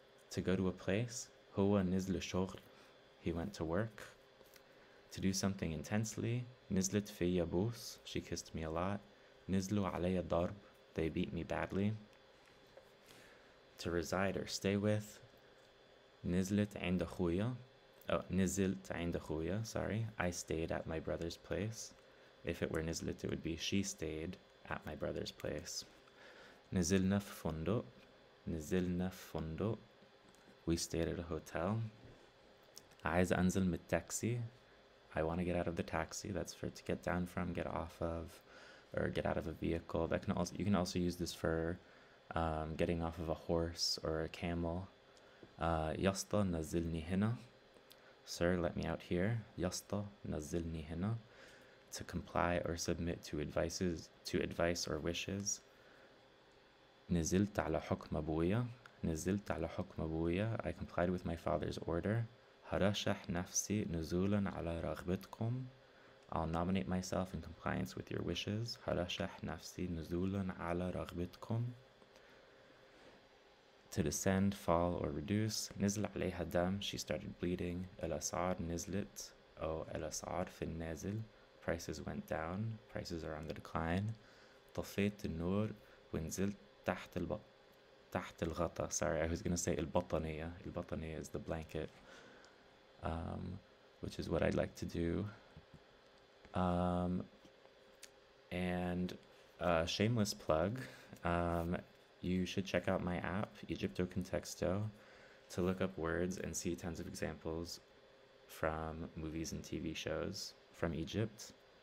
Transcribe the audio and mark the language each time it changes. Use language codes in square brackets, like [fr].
[en] To go to a place, [ar] هو نزل شغل, [en] he went to work. To do something intensely, [ar] نزلت فيا بوس, [en] she kissed me a lot. [ar] نزلوا عليا ضرب, [en] they beat me badly. To reside or stay with, [ar] نزلت عند أخويا. Oh, نزلت عند أخويا, sorry. [en] I stayed at my brother's place. If it were نزلت, it would be she stayed at my brother's place. [ar] نزلنا في فندق. نزلنا في فندق. [en] We stayed at a hotel. [ar] عايز أنزل من التاكسي. [en] I want to get out of the taxi. That's for to get down from, get off of, or get out of a vehicle. That can also you can also use this for getting off of a horse or a camel. [ar] يسطا نزلني هنا. [en] Sir, let me out here. [ar] يسطا نزلني هنا. [en] To comply or submit to advice or wishes. [ar] نزلت على حكم أبويا. نزلت على حكم أبويا. [en] I complied with my father's order. [ar] هرشح نفسي نزولا على رغبتكم. [en] I'll nominate myself in compliance with your wishes. [ar] هرشح نفسي نزولا على رغبتكم. [en] To descend, fall, or reduce. [ar] نزل عليها دم. [en] She started bleeding. [ar] الأسعار نزلت. Oh, الأسعار في النازل. [en] Prices went down. Prices are on the decline. [ar] طفيت النور ونزلت تحت الغطا. [en] Sorry, I was going to say البطانية. البطانية is the blanket, which is what I'd like to do. And a shameless plug. You should check out my app, Egyptocontexto, to look up words and see tons of examples from movies and TV shows from Egypt.